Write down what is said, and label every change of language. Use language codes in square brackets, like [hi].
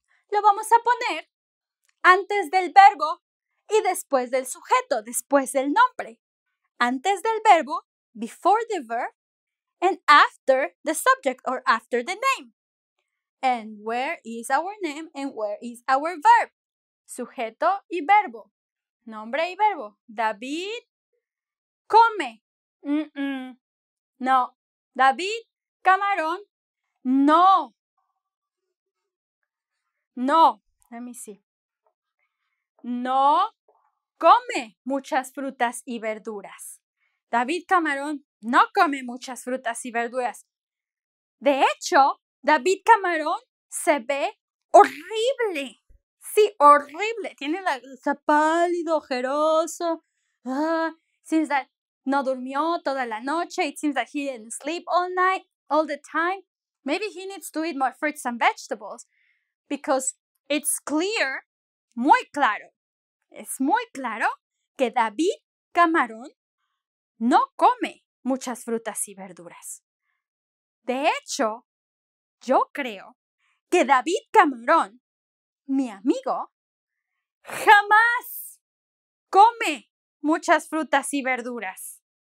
[es] Lo vamos a poner antes del verbo y después del sujeto, después del nombre. Antes del verbo, [en] before the verb, and after the subject or after the name. And where is our name and where is our verb? [es] Sujeto y verbo. Nombre y verbo. David come. No. David Camarón, no. No, [en] let me see. [es] No come muchas frutas y verduras. David Camarón no come muchas frutas y verduras. De hecho, David Camarón se ve horrible. Sí, horrible. Tiene la está pálido, ojeroso. [en] Seems that [es] no durmió toda la noche. [en] It seems that he didn't sleep all night, all the time. Maybe he needs to eat more fruits and vegetables. Because it's clear, [es] muy claro. Es muy claro que David Camarón no come muchas frutas y verduras. De hecho, yo creo que David Camarón, mi amigo, jamás come muchas frutas y verduras.